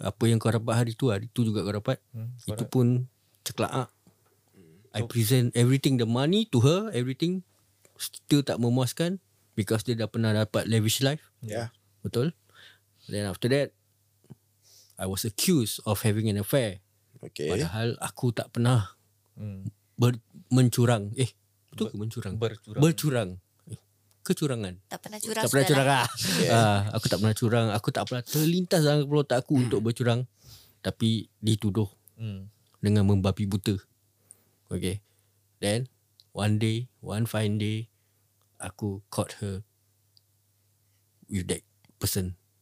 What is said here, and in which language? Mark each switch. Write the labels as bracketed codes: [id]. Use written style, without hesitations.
[ms] Apa yang kau dapat hari tu, hari tu juga kau dapat. Itu pun ceklaak. [en] I present everything, the money to her, everything. still [ms] tak memuaskan [en] because [ms] dia dah pernah dapat [en] lavish life. Yeah. [ms] Betul? [en] Then after that, I was accused of having an affair. Okay. [ms] Padahal aku tak pernah mencurang. Betul ke mencurang? Bercurang. Kecurangan. Tak pernah curang. Tak pernah curang lah. Aku tak pernah curang. Aku tak pernah terlintas dalam kepala otak aku untuk bercurang. Tapi dituduh dengan membabi buta. Okay. [en] Then, one day, one fine day, [ms] aku [en] caught her with that person.